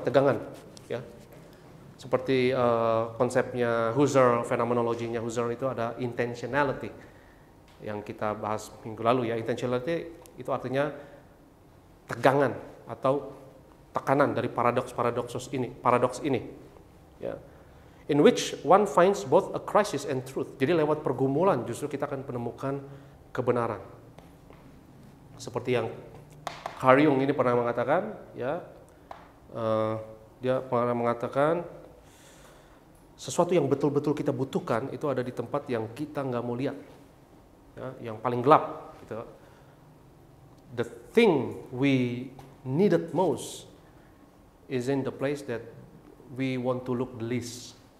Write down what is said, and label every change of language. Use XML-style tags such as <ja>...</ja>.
<id>Tegangan, ya. Seperti konsepnya Husserl, fenomenologinya Husserl itu ada intentionality yang kita bahas minggu lalu, ya. Intentionality itu artinya tegangan atau tekanan dari paradoks ini, ya.</id> <en>In which one finds both a crisis and truth.</en> <id>Jadi lewat pergumulan justru kita akan menemukan kebenaran. Seperti yang Carl Jung ini pernah mengatakan, ya. Dia pernah mengatakan sesuatu yang betul-betul kita butuhkan itu ada di tempat yang kita nggak mau lihat. ya, yang paling gelap gitu.</id> <en>The thing we needed most is in the place that we want to look the least.</en>